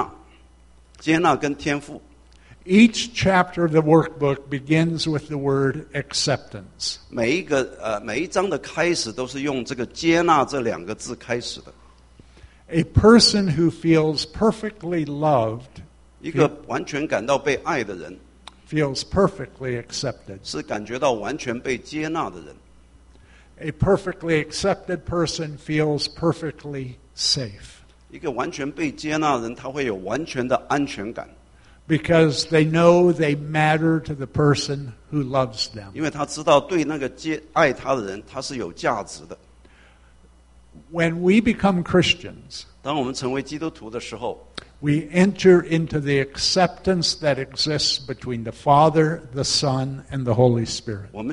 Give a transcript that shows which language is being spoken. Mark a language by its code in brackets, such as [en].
[zh] 那个第三课是讲到天父的接纳，接纳跟天父。 [en] Each chapter of the workbook begins with the word acceptance. [zh] 每一章的开始都是用这个接纳这两个字开始的。 [en] A person who feels perfectly loved, [zh] 一个完全感到被爱的人, [en] feels perfectly accepted. [zh] 是感觉到完全被接纳的人。 [en] A perfectly accepted person feels perfectly safe. [zh] 一个完全被接纳的人，他会有完全的安全感。 [en] Because they know they matter to the person who loves them. [zh] 因为他知道对那个爱他的人，他是有价值的。 [en] When we become Christians, [zh] 当我们成为基督徒的时候, [en] we enter into the acceptance that exists between the Father, the Son, and the Holy Spirit.